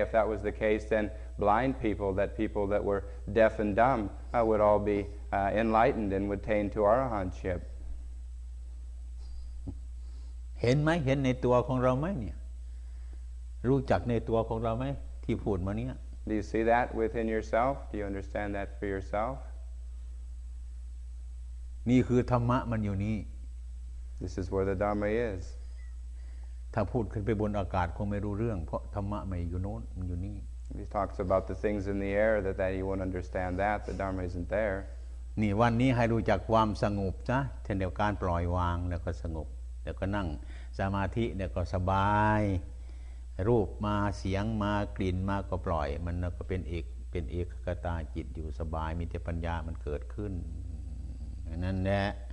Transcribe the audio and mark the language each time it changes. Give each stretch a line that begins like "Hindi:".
English: If that was the case, then blind people, that people that were deaf and dumb, would all be enlightened and would attain to arahantship.
Thai: เห็นไหมเห็นในตัวของเราไหมเนี่ยรู้จักในตัวของเราไหมที่พูดมาเนี่ย
English: Do you see that within yourself? Do you understand that for yourself?
Thai: นี่คือธรรมะมันอยู่นี่
English: This is where the Dharma is.
Thai: ถ้าพูดขึ้นไปบนอากาศคงไม่รู้เรื่องเพราะธรรมะไม่อยู่โน้นมันอยู่นี่
English: He talks about the things in the air that you won't understand that the Dharma isn't there.
Thai: นี่วันนี้ให้รู้จักความสงบซะเช่นเดียวกันปล่อยวางแล้วก็สงบแล้วก็นั่งสมาธิแล้วก็สบายรูปมาเสียงมากลิ่นมาก็ปล่อยมันก็เป็นเอกคตาจิตอยู่สบายมีแต่ปัญญามันเกิดขึ้นนั่นแหละ